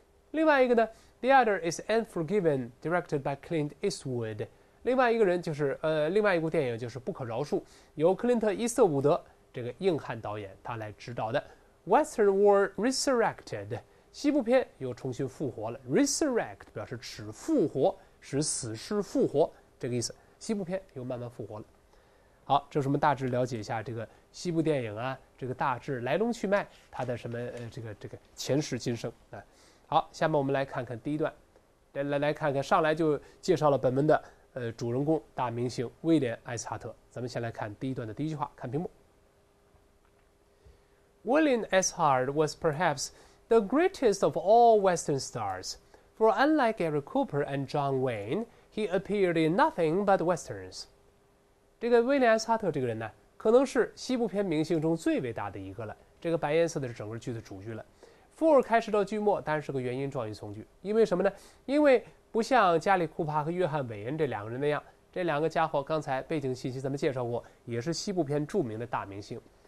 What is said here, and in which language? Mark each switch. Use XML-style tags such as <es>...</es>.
<zh>另外一个呢</zh> <en>，The other is Unforgiven, directed by Clint Eastwood。</en> <zh>另外一个人就是另外一部电影就是《不可饶恕》，由克林特·伊斯特伍德这个硬汉导演他来执导的。</zh> <en>Western War Resurrected，</en> <zh>西部片又重新复活了。 Resurrect 表示使复活，使死尸复活这个意思。西部片又慢慢复活了。好，这是我们大致了解一下这个西部电影啊，这个大致来龙去脉，它的什么这个前世今生啊。好，下面我们来看看第一段，来看看上来就介绍了本文的主人公大明星威廉·艾斯哈特。咱们先来看第一段的第一句话，看屏幕。</zh> <en>William S. Hart was perhaps the greatest of all Western stars, for unlike Gary Cooper and John Wayne, he appeared in nothing but Westerns.</en> <zh>这个威廉·艾斯哈特这个人呢，可能是西部片明星中最伟大的一个了。这个白颜色的是整个剧的主角了。Ford 开始到剧末当然是个原因状语从句，因为什么呢？因为不像加里库帕和约翰韦恩这两个人那样，这两个家伙刚才背景信息咱们介绍过，也是西部片著名的大明星。</zh>